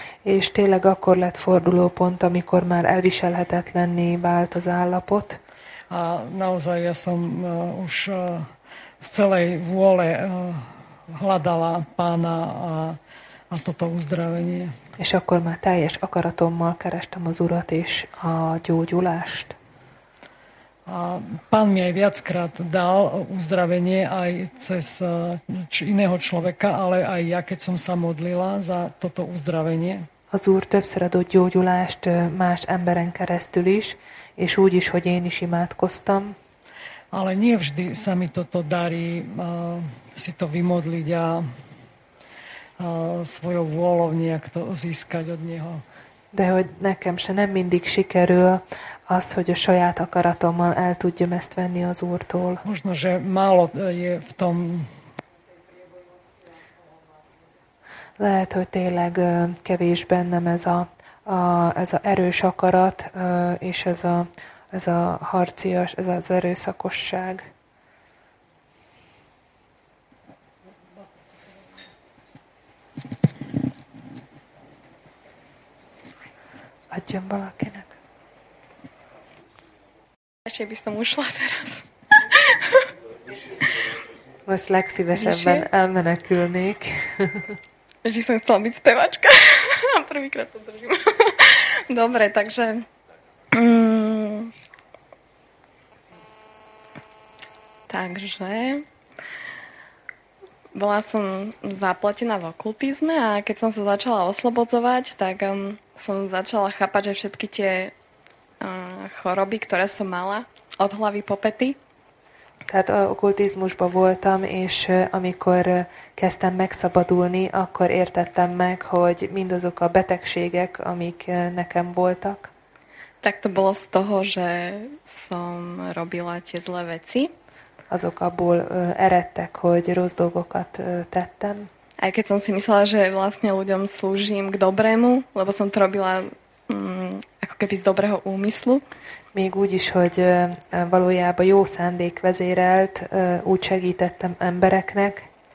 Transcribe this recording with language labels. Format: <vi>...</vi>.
<hu>És tényleg akkor lett fordulópont, amikor már elviselhetetlenné vált az állapot.</hu> <sk>A naozaj ja som už z celej vôle hľadala Pána a toto uzdravenie.</sk> <hu>És akkor már teljes akaratommal kerestem az Urat és a gyógyulást.</hu> <sk>A Pán mi aj viackrát dal uzdravenie aj cez iného človeka, ale aj ja, keď som sa modlila za toto uzdravenie.</sk> <hu>Az Úr többször adott gyógyulást más emberen keresztül is, és úgy is, hogy én is imádkoztam.</hu> <sk>Ale nie vždy sa mi toto darí si to vymodliť a svojou vôľou nejak to získať od Neho.</sk> <hu>De hogy nekem se nem mindig sikerül az, hogy a saját akaratommal el tudjam ezt venni az Úrtól.</hu> <sk>Možno, že málo je v tom...</sk> <hu>Lehet, hogy tényleg kevés bennem ez a erős akarat, és ez a harcias, ez az erőszakosság. Adjam valakinek. Esély biztom úsla teraz. Most legszívesebben elmenekülnék.</hu> <sk>Že som chcela byť spevačka. A prvýkrát to držím. Dobre, takže... Takže... Bola som zaplatená v okultizme a keď som sa začala oslobodzovať, tak som začala chápať, že všetky tie choroby, ktoré som mala, od hlavy po pety.</sk> <hu>Tehát okultizmusban voltam, és amikor kezdtem megszabadulni, akkor értettem meg, hogy mindazok a betegségek, amik nekem voltak.</hu> <sk>Tak to bolo z toho, že som robila tie zlé veci.</sk> <hu>Azok abból eredtek, hogy rossz dolgokat tettem.</hu> <sk>Aj keď som si myslela, že vlastne ľuďom slúžim k dobrému, lebo som to robila ako keby z dobrého úmyslu.</sk> <hu>Még úgy is, hogy valójában jó szándék vezérelt, úgy segítettem embereknek.</hu>